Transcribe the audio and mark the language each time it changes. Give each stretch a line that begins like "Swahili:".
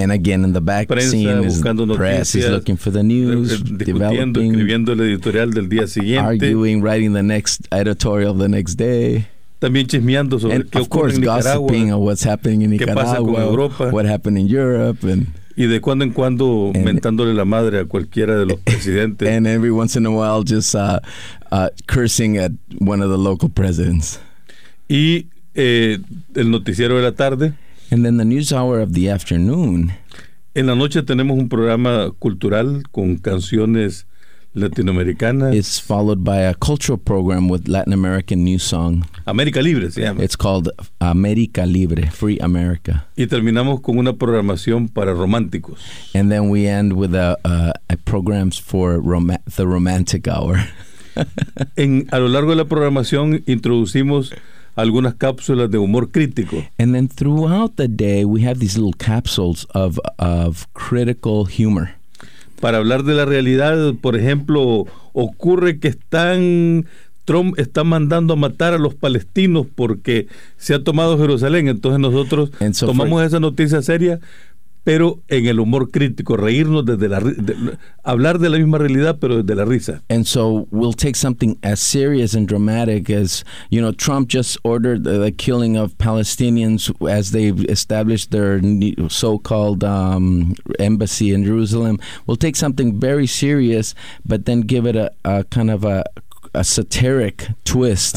English: And again in the back scene is press is looking for the news,
Spanish: discutiendo, escribiendo el editorial del día siguiente.
English: Arguing, writing the next editorial of the next day.
Spanish: También chismeando sobre qué ocurre en Nicaragua.
English: And of course, gossiping on what's happening in Nicaragua.
Spanish: ¿Qué pasa con Europa?
English: What happened in Europe? And
Spanish: y de cuando en cuando mentándole la madre a cualquiera de los presidentes.
English: And every once in a while just cursing at one of the local presidents.
Spanish: Y el noticiero de la tarde.
English: And then the news hour of the afternoon.
Spanish: En la noche tenemos un programa cultural con canciones latinoamericanas.
English: It's followed by a cultural program with Latin American new song.
Spanish: América Libre se llama.
English: It's called América Libre, Free America.
Spanish: Y terminamos con una programación para románticos.
English: And then we end with a programs for the romantic hour.
Spanish: A lo largo de la programación introducimos algunas cápsulas de humor crítico.
English: And then throughout the day we have these little capsules of critical humor.
Spanish: Para hablar de la realidad, por ejemplo, ocurre que Trump está mandando a matar a los palestinos porque se ha tomado Jerusalén. Entonces nosotros tomamos esa noticia seria, pero en el humor crítico, reírnos desde hablar de la misma realidad, pero desde la risa.
English: And so we'll take something as serious and dramatic as, you know, Trump just ordered the killing of Palestinians as they established their so-called embassy in Jerusalem. We'll take something very serious, but then give it a kind of a satiric twist,